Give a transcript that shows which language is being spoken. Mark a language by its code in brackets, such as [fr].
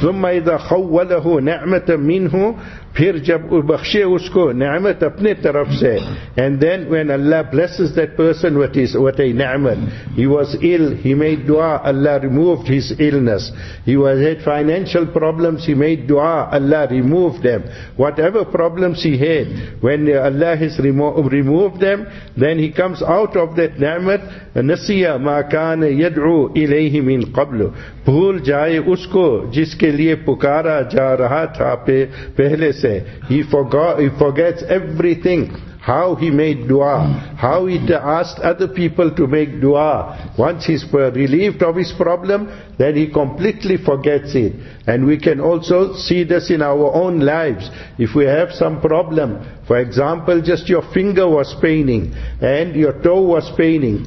[ar] ثُمَّ إِذَا خَوَّلَهُ نَعْمَةً مِنْهُ [ur] پھر جب بخشے اس کو نعمت اپنے طرف سے. [en] And then when Allah blesses that person with a نعمت, he was ill, he made dua, Allah removed his illness. He was had financial problems, he made dua, Allah removed them. Whatever problems he had, when Allah has removed them, then he comes out of that نعمت, [ar] نسیہ ما کان يدعو إليه من قبل, [ur] بھول جائے اس کو جس کے لئے پکارا جا رہا تھا پہلے سے. [en] He forgets everything, how he made dua, how he asked other people to make dua. Once he's relieved of his problem, then he completely forgets it. And we can also see this in our own lives. If we have some problem, for example, just your finger was paining and your toe was paining.